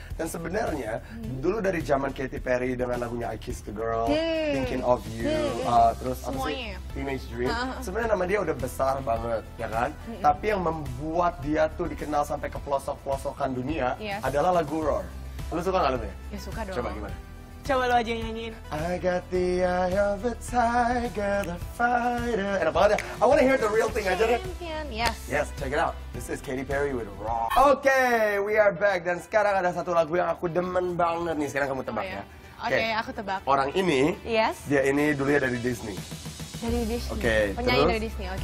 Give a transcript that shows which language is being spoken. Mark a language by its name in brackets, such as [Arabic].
[Indonesian] Dan sebenarnya dulu dari zaman Katy Perry dengan lagunya I Kissed a Girl, Thinking of You, terus Teenage Dream. Sebenarnya nama dia udah besar banget, ya kan? Tapi yang membuat dia tuh dikenal sampai ke pelosok-pelosokan dunia adalah lagu Roar. Lu suka gak lagunya? Ya suka dong. Coba gimana? Coba lu aja nyanyiin. [English] I got the eye of a tiger, the fighter. [Indonesian] Enak banget ya. [English] I wanna hear the real thing [Indonesian] aja deh. [English] Yes, check it out. This is Katy Perry with Raw. Okay, we are back. [Indonesian] Dan sekarang ada satu lagu yang aku demen banget nih. Sekarang kamu tebak ya. Okay, aku tebak. Orang ini, [English] yes. [Indonesian] Dia ini dulunya dari Disney. Dari Disney? [English] Okay, [Indonesian] penyanyi dari Disney, okay.